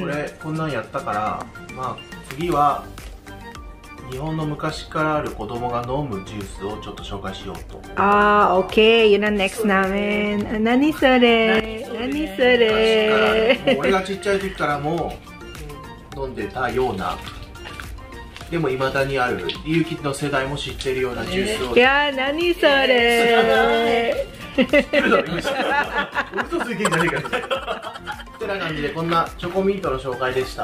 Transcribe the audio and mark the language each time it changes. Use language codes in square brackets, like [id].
[ja] これ、こんなんやったから、まあ、次は日本の昔からある子供が飲むジュースをちょっと紹介しようと。 [tl] あー、OK、yun ang next namin。 [ja] 何それ？何それ？俺がちっちゃい時からも飲んでたような、でも未だにある、リュウキの世代も知ってるようなジュースを。いやー、何それ、知ってるの、知ってるの、嘘ついてんじゃねえか。てな感じで、こんなチョコミントの紹介でした。